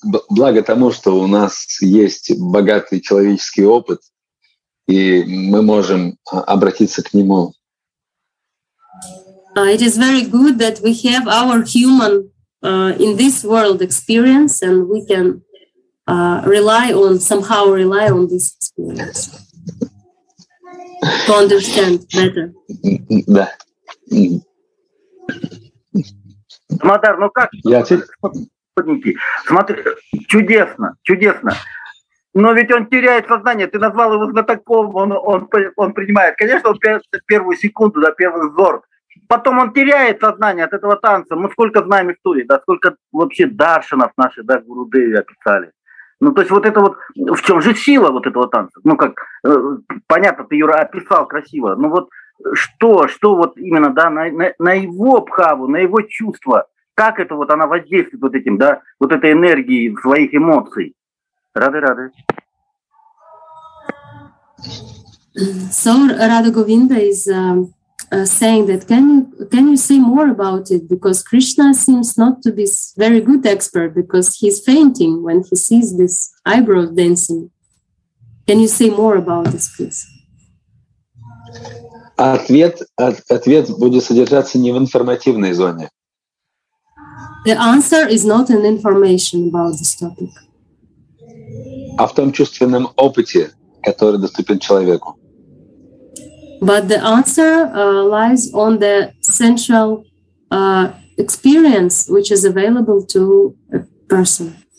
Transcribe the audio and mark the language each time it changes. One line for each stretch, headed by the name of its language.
Russian: Благо тому, что у нас есть богатый человеческий опыт, и мы можем обратиться к нему.
English: It is very good that we have our human in this world experience, and we can rely on this experience to understand better.
Russian: Да. Мадар, ну как? Я смотри, чудесно, чудесно. Но ведь он теряет сознание. Ты назвал его знатоком, он принимает. Конечно, он первую секунду, да, первый взор. Потом он теряет сознание от этого танца. Мы сколько знаем истории, да, сколько вообще даршинов наши, да, гурудеви описали. Ну, то есть вот это вот, в чем же сила вот этого танца? Ну, как, понятно, ты, Юра, описал красиво. Но вот что вот именно, да, на его бхаву, на его чувства, как это вот она воздействует вот этим, да, вот этой энергией своих эмоций? Рады.
English: So Radha Govinda is saying that can you say more about it? Because Krishna seems not to be very good expert, because he's fainting when he sees this eyebrow dancing. Can you say more about this, please?
Russian: Ответ будет содержаться не в информативной зоне.
English: The answer is not an information about this topic.
Russian: А в том чувственном опыте, который доступен человеку.
English: But the answer lies on the sensual experience, which is available to a person.